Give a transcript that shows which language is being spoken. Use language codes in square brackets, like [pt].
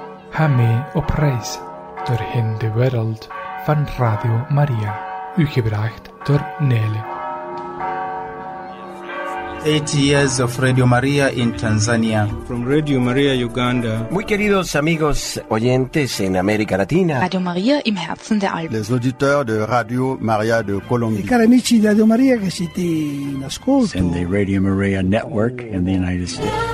[nl] Ga mee op reis doorheen de wereld van Radio Maria, u gebracht door Nele. [en] 8 years of Radio Maria in Tanzania. From Radio Maria Uganda. [es] Muy queridos amigos oyentes en América Latina. [de] Radio Maria im Herzen der Alpen. [fr] Les auditeurs de Radio Maria de Colombia. [it] I cari amici di Radio Maria che siete in ascolto. [en] And the Radio Maria network in the United States.